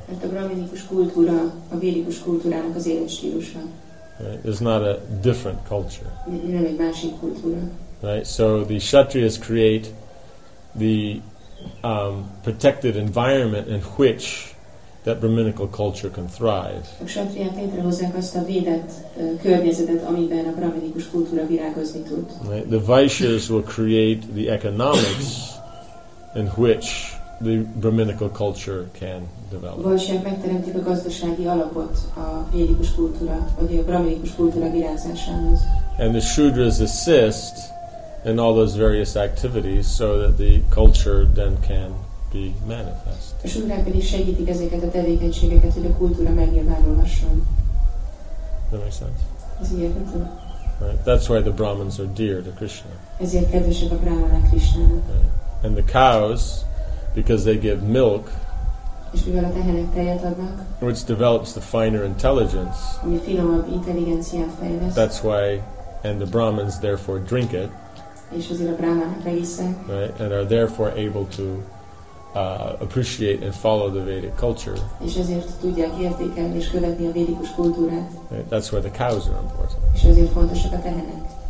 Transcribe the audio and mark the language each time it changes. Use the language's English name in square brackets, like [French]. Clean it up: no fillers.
[English] Right? It's not a different culture. Right? So the Kshatriyas create the protected environment in which that Brahminical culture can thrive. [Hungarian] A kshatriyák létrehozzák azt a védett környezetet, amiben a brahminikus kultúra virágozni tud. [English] Right? The Vaishyas will create the economics in which the Brahminical culture can develop. [Hungarian] Vaishyák megteremtik a gazdasági alapot a védikus kultúra, vagy a brahminikus kultúra virágzásához. [English] And the Shudras assist in all those various activities so that the culture then can be manifest. [Hungarian] A Shudrák pedig segítik ezeket a tevékenységeket, hogy a kultúra megnyilvánulhasson. [English] That makes sense. [Hungarian] Ez érthető. [English] Right. That's why the Brahmins are dear to Krishna. [Hungarian] Ezért kedvesek a Brahmanák Krishnának. [English] Right. And the cows, because they give milk, [Hungarian] és mivel a tehenek tejet adnak, [English] which develops the finer intelligence, [Hungarian] ami finomabb intelligenciát fejleszt, [English] that's why, and the Brahmins therefore drink it, [Hungarian] és azért a Brahmanák megisszák, [English] right, and are therefore able to appreciate and follow the Vedic culture, [Hungarian] és ezért tudják értékelni és követni a védikus kultúrát, [English] right, that's why the cows are important, [Hungarian] és azért fontosak a tehenek.